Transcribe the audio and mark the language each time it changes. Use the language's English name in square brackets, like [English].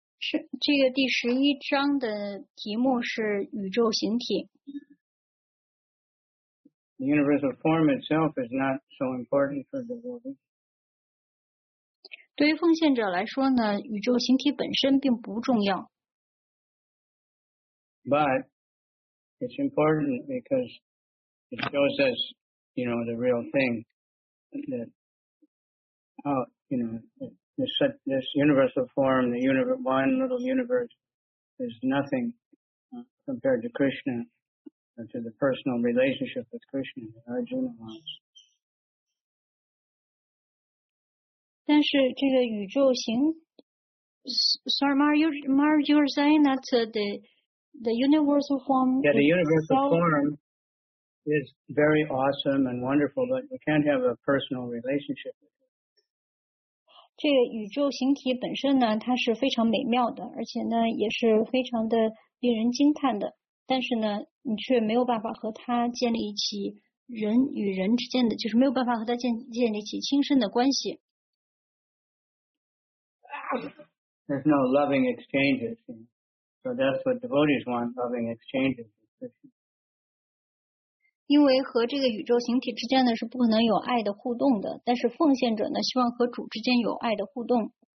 [Chinese] 这个第十一章的题目是宇宙形体。 [English] The universal form itself is not so important for devotees. [Chinese] 对于奉献者来说呢，宇宙形体本身并不重要。 [English] But it's important because it shows us, you know, the real thing. That how, you know, this universal form, the universe, one little universe, is nothing compared to Krishna. To the personal relationship with Krishna, that Arjuna wants. [Chinese] 但是这个宇宙形 [English] ，Sorry, Mar, you're saying that the universal form. Yeah, the universal form is very awesome and wonderful, but we can't have a personal relationship with it. [Chinese] 这个宇宙形体本身呢，它是非常美妙的，而且呢，也是非常的令人惊叹的。但是呢，你却没有办法和他建立起人与人之间的，就是没有办法和他建立起亲身的关系。 [English] There's no loving exchanges, so that's what devotees want: loving exchanges. [Chinese] 因为和这个宇宙形体之间呢是不可能有爱的互动的，但是奉献者呢希望和主之间有爱的互动。